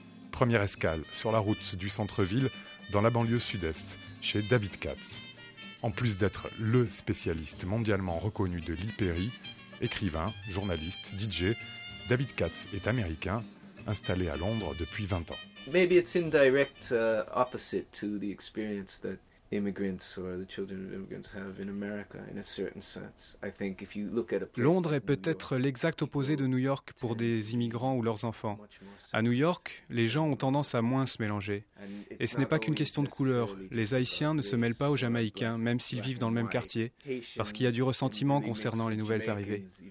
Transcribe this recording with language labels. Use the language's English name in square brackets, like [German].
[French] Première escale sur la route du centre-ville, dans la banlieue sud-est, chez David Katz. En plus d'être le spécialiste mondialement reconnu de l'Hyperi, écrivain, journaliste, DJ, David Katz est américain, installé à Londres depuis 20 ans. [English] Maybe it's in direct opposite to the experience that immigrants or the children of immigrants have in America in a certain sense. I think if you look at a place [French] Londres est peut-être l'exact opposé de New York pour des immigrants ou leurs enfants. À New York, les gens ont tendance à moins se mélanger. Et ce n'est pas qu'une question de couleur. Les Haïtiens ne se mêlent pas aux Jamaïcains, même s'ils vivent dans le même quartier, parce qu'il y a du ressentiment concernant les nouvelles arrivées.